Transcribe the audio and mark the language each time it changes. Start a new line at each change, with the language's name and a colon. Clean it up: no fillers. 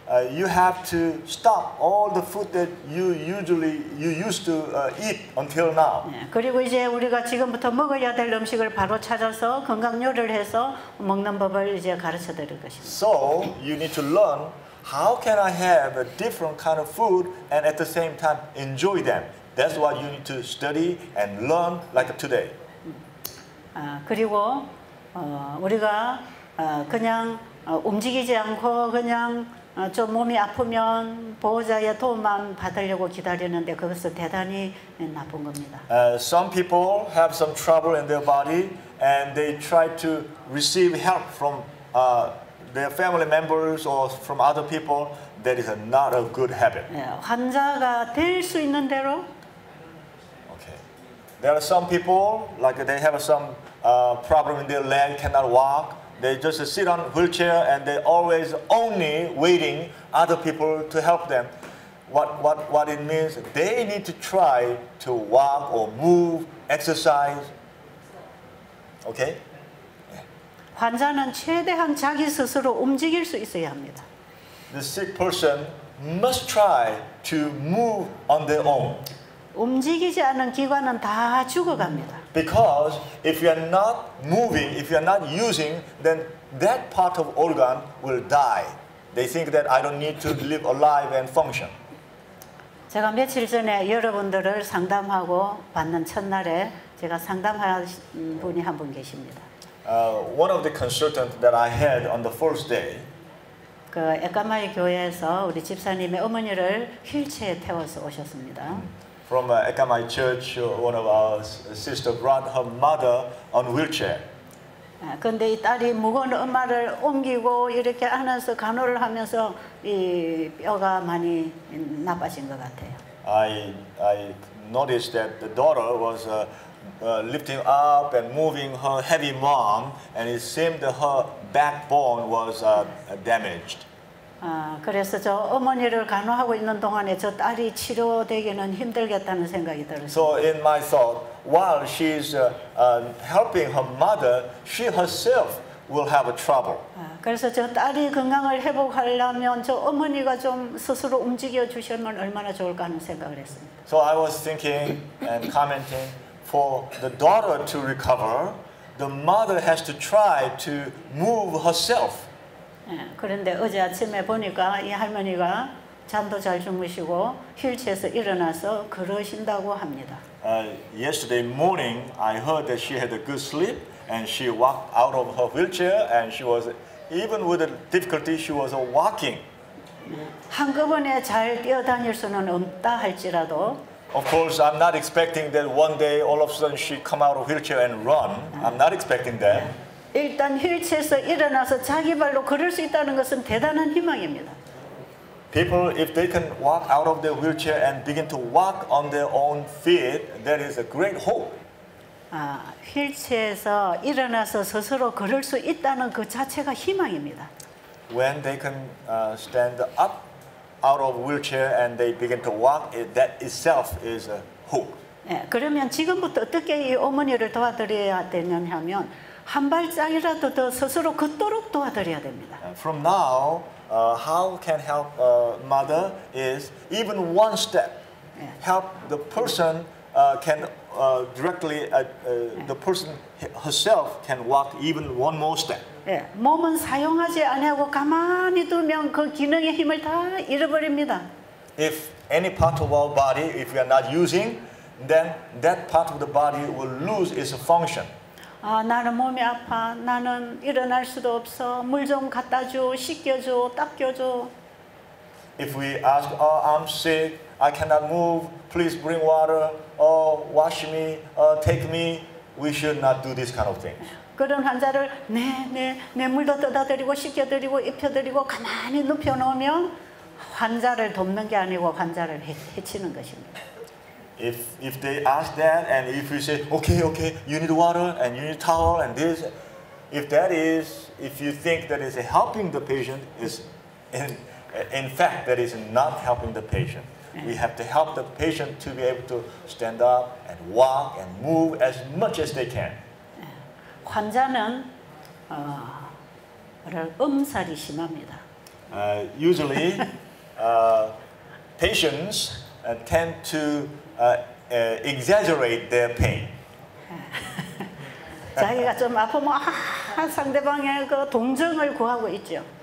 English: You have to stop all the food that you used to eat until now.
Korean: 그리고 이제 우리가 지금부터 먹어야 될 음식을 바로 찾아서 건강 요리를 해서 먹는 법을 이제 가르쳐 드릴 것입니다.
English: So you need to learn how can I have a different kind of food and at the same time enjoy them. That's what you need to study and learn like today.
Korean: 그리고 우리가 그냥 움직이지 않고 그냥 좀 몸이 아프면 보호자의 도움만 받으려고 기다리는데 그것은 대단히 나쁜 겁니다.
English: Some people have some trouble in their body and they try to receive help from their family members or from other people. That is not a good habit.
Korean: 환자가 될 수 있는 대로.
English: Okay. There are some people like they have some problem in their leg, cannot walk. They just sit on wheelchair and they always only waiting other people to help them. What it means? They need to try to walk or move, exercise. Okay?
Korean: 환자는 최대한 자기 스스로 움직일 수 있어야 합니다.
English: The sick person must try to move on their own.
Korean: 움직이지 않은 기관은 다 죽어갑니다.
English: Because if you are not moving, if you are not using, then that part of organ will die. They think that I don't need to live alive and function.
Korean: 제가 며칠 전에 여러분들을 상담하고 받는 첫날에 제가 상담하신 분이 한 분 계십니다.
English: One of the consultants that I had on the first day.
Korean: 그 에카마이 교회에서 우리 집사님의 어머니를 휠체어에 태워서 오셨습니다.
English: From Ekamai Church, one of our sisters brought her mother on wheelchair.
Korean: 근데 이 딸이 무거운 엄마를 옮기고 이렇게 안아서 간호를 하면서 이 뼈가 많이 나빠진 것 같아요.
English: I noticed that the daughter was lifting up and moving her heavy mom, and it seemed her backbone was damaged.
Korean: 그래서 저 어머니를 간호하고 있는 동안에 저 딸이 치료되기는 힘들겠다는 생각이 들었어요.
English: So in my thought, while she's helping her mother, she herself will have a trouble.
Korean: 그래서 저 딸이 건강을 회복하려면 저 어머니가 좀 스스로 움직여 주시면 얼마나 좋을까 하는 생각을 했습니다.
English: So I was thinking and commenting for the daughter to recover, the mother has to try to move herself.
Korean: 그런데 어제 아침에 보니까 이 할머니가 잠도 잘 주무시고 휠체어에서 일어나서 걸으신다고 합니다.
English: Yesterday morning, I heard that she had a good sleep and she walked out of her wheelchair and she was, even with the difficulty, she was walking.
Korean: 한꺼번에 잘 뛰어다닐 수는 없다 할지라도
English: Of course, I'm not expecting that one day all of a sudden she come out of wheelchair and run. I'm not expecting that.
Korean: 일단 휠체어에서 일어나서 자기 발로 걸을 수 있다는 것은 대단한 희망입니다.
English: People, if they can walk out of their wheelchair and begin to walk on their own feet, that is a great hope.
Korean: 휠체어에서 일어나서 스스로 걸을 수 있다는 그 자체가 희망입니다.
English: When they can stand up out of wheelchair and they begin to walk, that itself is a hope.
Korean: 그러면 지금부터 어떻게 이 어머니를 도와드려야 되느냐 하면 한 발짝이라도 더 스스로 걷도록 도와드려야 됩니다.
English: From now, how can help a mother is even one step. Help the person can directly the person herself can walk even one more step.
Korean: 몸은 사용하지 않고 가만히 두면 그 기능의 힘을 다 잃어버립니다.
English: If any part of our body, if we are not using, then that part of the body will lose its function.
Korean: 나는 몸이 아파. 나는 일어날 수도 없어. 물 좀 갖다 줘. 씻겨 줘. 닦여 줘.
English: If we ask, "Oh, I'm sick. I cannot move. Please bring water. Oh, wash me. Take me." We should not do this kind of thing.
Korean: 그런 환자를 내 물도 떠다드리고 씻겨드리고 입혀드리고 가만히 눕혀놓으면 환자를 돕는 게 아니고 환자를 해치는 것입니다.
English: If they ask that, and if you say, okay, you need water, and you need towel, and this, if you think that is helping the patient, is in fact, that is not helping the patient. We have to help the patient to be able to stand up and walk and move as much as they can.
Korean: 환자는 엄살이 심합니다.
English: Usually, patients tend to exaggerate their pain.
Korean: 자기가 좀 아프면 상대방의 그 동정을 구하고 있죠.